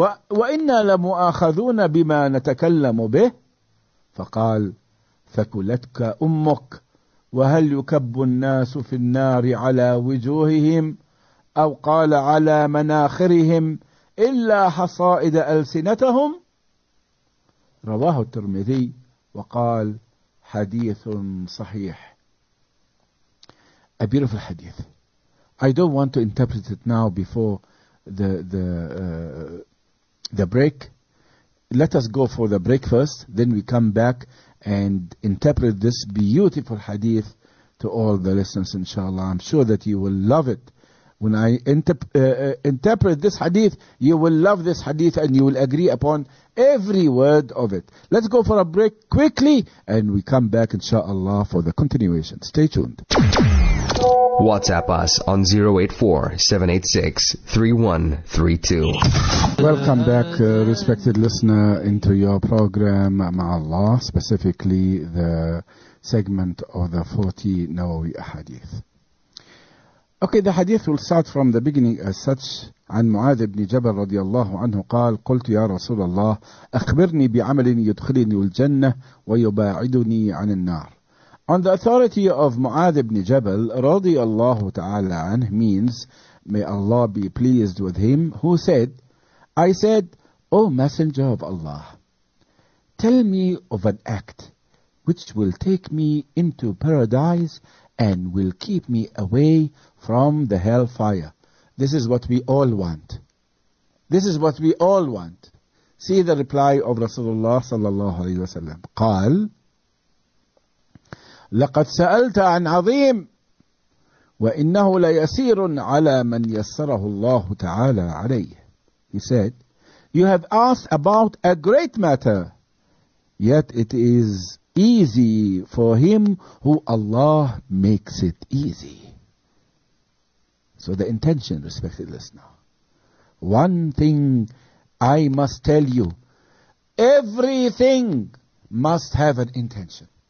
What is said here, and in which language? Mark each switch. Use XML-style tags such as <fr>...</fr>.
<ar>وإنا لمؤاخذون بما نتكلم به فقال ثكلتك أمك وهل يكب الناس في النار على وجوههم أو قال على مناخرهم إلا حصائد ألسنتهم رواه الترمذي وقال حديث صحيح.</ar> <en>A beautiful hadith. I don't want to interpret it now before the break. Let us go for the breakfast, then we come back and interpret this beautiful hadith to all the listeners, inshallah. I'm sure that you will love it. When I interpret this hadith, you will love this hadith and you will agree upon every word of it. Let's go for a break quickly and we come back, inshallah, for the continuation. Stay tuned. WhatsApp us on 084-786-3132. Welcome back, respected listener, into your program, Ma'Allah, specifically the segment of the 40 Nawawi Ahadith. Okay, the hadith will start from the beginning as such.</en> <ar>عن معاذ بن جبل رضي الله عنه قال قلت يا رسول الله أخبرني بعمل يدخلني الجنة ويباعدني عن النار.</ar> <en>On the authority of Mu'adh ibn Jabal,</en> <ar>radiallahu ta'ala anhu,</ar> <en>means, may Allah be pleased with him, who said, I said, O Messenger of Allah, tell me of an act which will take me into paradise and will keep me away from the hellfire. This is what we all want. This is what we all want. See the reply of Rasulullah</en> <ar>sallallahu alayhi wa sallam. قال, لقد سألت عن عظيم وإنه ليسير على من يسره الله تعالى عليه.</ar> <en>He said, you have asked about a great matter, yet it is easy for him who Allah makes it easy. So the intention, respected listener, one thing I must tell you, everything must have an intention.</en>